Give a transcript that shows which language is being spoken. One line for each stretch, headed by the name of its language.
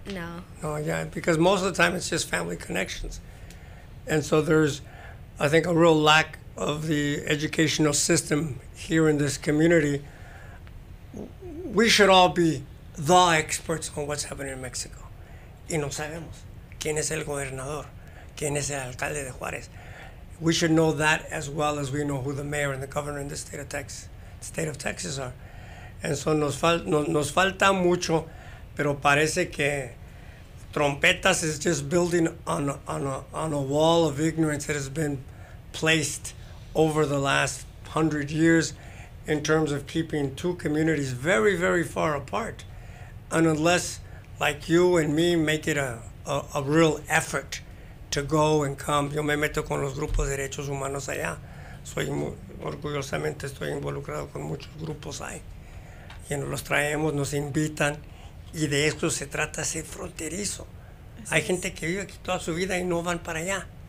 English: No. No, yeah, because most of the time it's just family connections. And so there's, I think, a real lack of the educational system here in this community. We should all be the experts on what's happening in Mexico.
Spanish: Y no sabemos quién es el gobernador, quién es el alcalde de Juárez.
English: We should know that as well as we know who the mayor and the governor in the state of Texas are. And so
Spanish: nos falta mucho, pero parece que Trompetas
English: is just building on a wall of ignorance that has been placed over the last 100 years in terms of keeping two communities very, very far apart. And unless, like you and me, make it a real effort to go and come.
Spanish: Yo me meto con los grupos de derechos humanos allá. Orgullosamente estoy involucrado con muchos grupos ahí. Y los traemos, nos invitan. Y de esto se trata, ser fronterizo. Así hay es. Gente que vive aquí toda su vida y no van para allá.